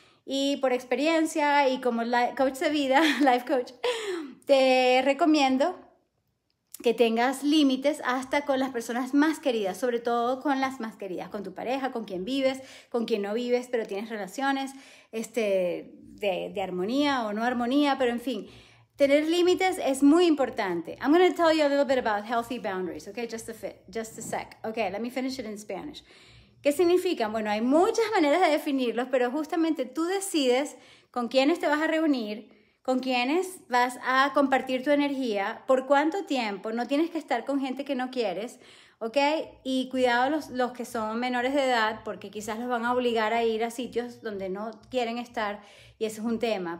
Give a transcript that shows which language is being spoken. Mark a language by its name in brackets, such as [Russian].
[Spanish] Y por experiencia y como coach de vida, life coach, te recomiendo que tengas límites hasta con las personas más queridas, sobre todo con las más queridas, con tu pareja, con quien vives, con quien no vives, pero tienes relaciones de armonía o no armonía, pero en fin, tener límites es muy importante. [English] I'm going to tell you a little bit about healthy boundaries, okay? Just a sec. Okay, let me finish it in Spanish. [Spanish] ¿Qué significan? Bueno, hay muchas maneras de definirlos, pero justamente tú decides con quiénes te vas a reunir, con quiénes vas a compartir tu energía, por cuánto tiempo, no tienes que estar con gente que no quieres, ¿ok? Y cuidado los que son menores de edad, porque quizás los van a obligar a ir a sitios donde no quieren estar, y ese es un tema.